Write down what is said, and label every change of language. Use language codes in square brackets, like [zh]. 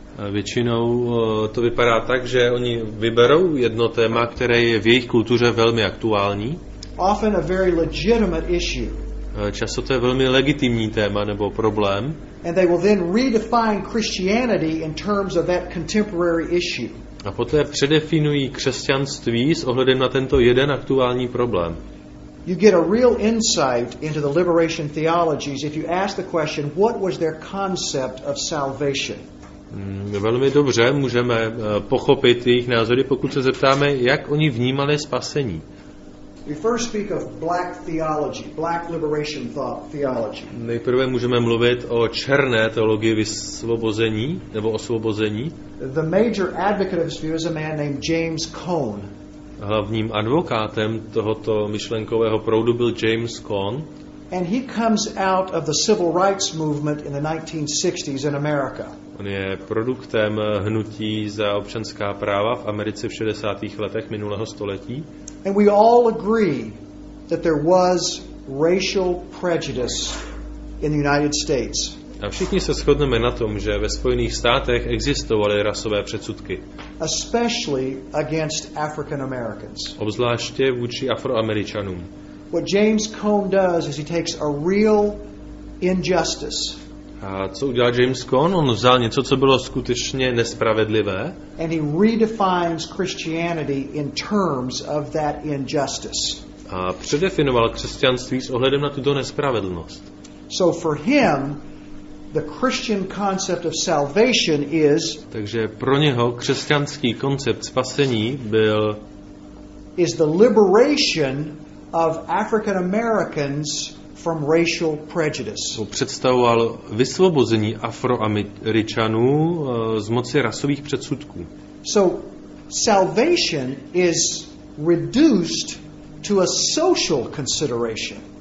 [cs] Většinou to vypadá tak, že oni vyberou jedno téma, které je v jejich kultuře velmi aktuální. [en] Often a very legitimate issue. [cs] Často to je velmi legitimní téma nebo problém. [en] And they will then redefine Christianity in terms of that contemporary issue. [cs] A poté předefinují křesťanství s ohledem na tento jeden aktuální problém. [en] You get a real insight into the liberation theologies if you ask the question, what was their concept of salvation? [cs] Velmi dobře můžeme pochopit jejich názory, pokud se zeptáme, jak oni vnímali spasení. [en] We first speak of black theology, black liberation theology. [cs] Nejprve můžeme mluvit o černé teologii vysvobození nebo osvobození. [en] The major advocate of this view is a man named James Cone. [cs] Hlavním advokátem tohoto myšlenkového proudu byl James Cone. [en] And he comes out of the civil rights movement in the 1960s in America. [cs] On je produktem hnutí za občanská práva v Americe v 60. letech minulého století. [en] And we all agree that there was racial prejudice in the United States. [cs] A všichni se shodneme na tom, že ve Spojených státech existovaly rasové předsudky. [en] Especially against African Americans. [cs] Obzvláště vůči Afroameričanům. [en] What James Cone does is he takes a real injustice. [cs] A co udělal James Cone? On vzal něco, co bylo skutečně nespravedlivé. [en] And he redefines Christianity in terms of that injustice. [cs] A předefinoval křesťanství s ohledem na tuto nespravedlnost. [en] So for him, the Christian concept of salvation is. [cs] Takže pro něho křesťanský koncept spasení byl. [en] Is the liberation of African Americans from racial prejudice. [cs] To představoval vysvobození Afroameričanů z moci rasových předsudků. [en] So salvation is reduced to a social consideration.